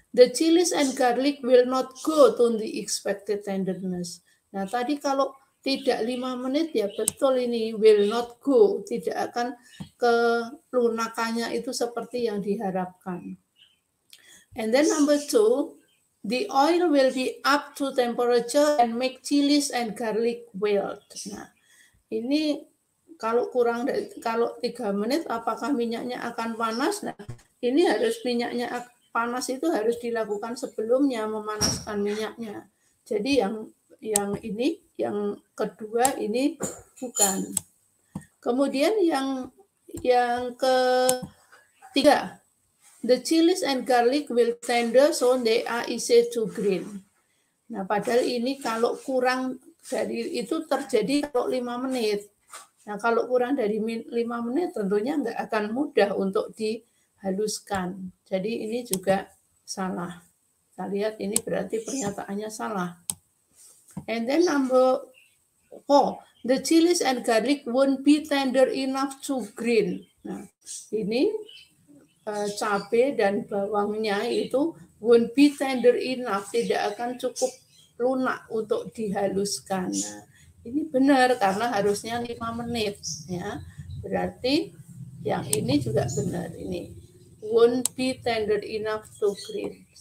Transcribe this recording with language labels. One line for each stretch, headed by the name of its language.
English: The chilies and garlic will not go to the expected tenderness.
Indonesian: Nah, tadi kalau tidak 5 menit ya betul ini
English: will not go,
Indonesian: tidak akan kelunakannya itu seperti yang diharapkan.
English: And then number 2, the oil will be up to temperature and make chilies and garlic wilt.
Indonesian: Nah, ini kalau kurang dari kalau 3 menit apakah minyaknya akan panas? Nah, ini harus minyaknya panas itu harus dilakukan sebelumnya memanaskan minyaknya. Jadi yang ini yang kedua ini bukan. Kemudian yang ketiga,
English: the chilies and garlic will tender so they are easy to grind.
Indonesian: Nah, padahal ini kalau kurang dari itu terjadi kalau 5 menit. Nah, kalau kurang dari 5 menit tentunya enggak akan mudah untuk dihaluskan. Jadi ini juga salah. Kita lihat ini berarti pernyataannya salah.
English: And then number 4, the chilies and garlic won't be tender enough to grind.
Indonesian: Nah, ini cabe dan bawangnya itu
English: won't be tender enough,
Indonesian: tidak akan cukup lunak untuk dihaluskan. Nah, ini benar karena harusnya 5 menit ya. Berarti yang ini juga benar ini.
English: Won't be tender enough to grind.